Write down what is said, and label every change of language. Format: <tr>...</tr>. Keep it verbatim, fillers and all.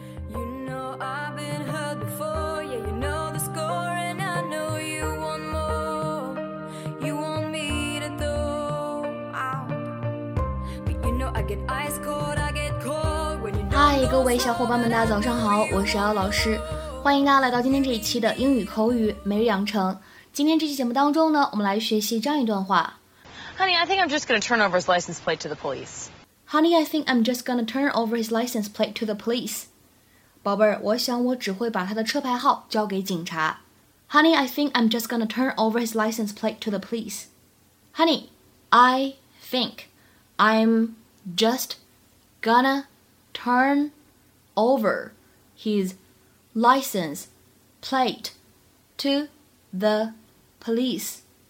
<en>You know I've been hurt before, yeah, you know the score, and I know you want more. You want me to throw out, but you know I get ice cold, I get cold when you know.</en> <zh>嗨，各位小伙伴们，大家早上好，我是姚老师，欢迎大家来到今天这一期的英语口语每日养成。今天这期节目当中呢，我们来学习这样一段话。</zh> <en>Honey, I think I'm just going to turn over his license plate to the police. Honey, I think I'm just going to turn over his license plate to the police.</en> <zh>宝贝儿，我想我只会把他的车牌号交给警察。</zh> <en>Honey, I think I'm just gonna turn over his license plate to the police. Honey, I think I'm just gonna turn over his license plate to the police.</en>